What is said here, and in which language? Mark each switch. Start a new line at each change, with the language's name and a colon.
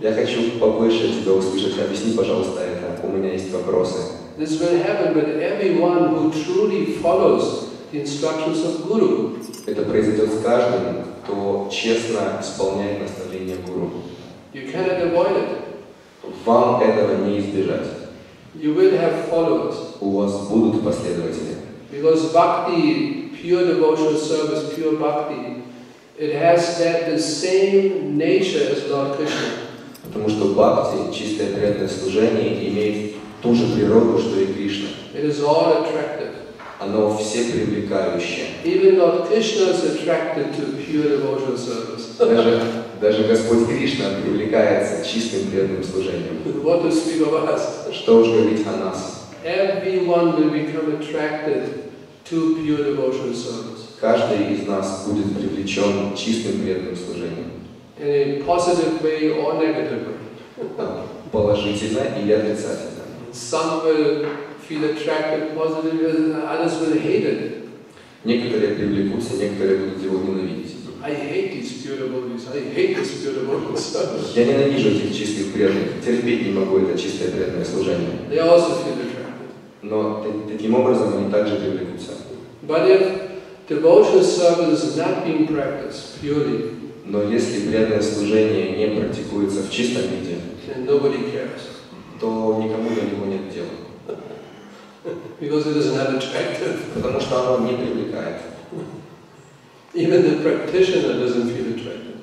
Russian: Я хочу побольше тебя услышать. Объясни, пожалуйста, это. У меня есть вопросы.
English: This will happen with everyone who truly follows the instructions of Guru.
Russian: Это произойдет с каждым, кто честно исполняет наставления Гуру.
English: You cannot avoid it.
Russian: Вам этого не избежать.
English: You will have followers.
Russian: У вас будут последователи.
English: Because bhakti, pure devotional service, pure bhakti, it has that the same nature as Lord Krishna.
Russian: Потому что бхакти, чистое преданное служение, имеет ту же природу, что и Кришна.
English: It is all attractive.
Russian: Оно все привлекающее.
English: Even Lord Krishna is attracted to pure devotional service.
Russian: Даже Господь Кришна привлекается чистым преданным служением.
English: What to speak of us?
Russian: Что уж говорить о нас?
English: Everyone will become attracted to pure devotional service.
Russian: Каждый из нас будет привлечен чистым преданным служением.
English: In a positive way or negative way.
Russian: Положительно или отрицательно.
English: Some will feel attracted positively, others will hate it.
Russian: Некоторые привлекутся, некоторые будут его ненавидеть.
English: I hate these pure devotees. I hate these pure devotees.
Russian: Я ненавижу этих чистых преданных. Терпеть не могу это чистое преданное служение.
English: They also feel attracted.
Russian: Но таким образом они также привлекутся.
English: But if devotional service is not being practiced purely,
Russian: но если преданное служение не практикуется в чистом виде,
English: then nobody cares.
Russian: То никому до него нет дела.
English: Because it is not attractive.
Russian: Потому что оно не привлекает.
English: Even the practitioner doesn't feel attracted.